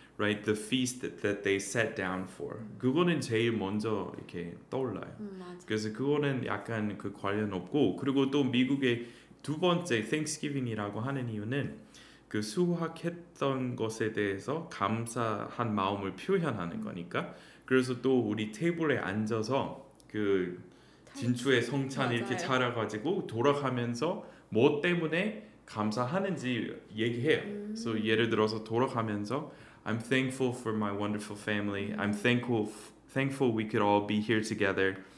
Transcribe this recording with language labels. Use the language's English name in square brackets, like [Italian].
[English] Right, the feast that they set down for. [Korean] 그거는 제일 먼저 이렇게 떠올라요. 그래서 그거는 약간 그 관련 없고 그리고 또 미국의 두 번째 Thanksgiving이라고 하는 이유는 그 수확했던 것에 대해서 감사한 마음을 표현하는 거니까 그래서 또 우리 테이블에 앉아서 그 진추의 성찬 이렇게 차려가지고 돌아가면서 뭐 때문에 감사하는지 얘기해요. 그래서 예를 들어서 돌아가면서 [English] I'm thankful for my wonderful family. I'm thankful we could all be here together.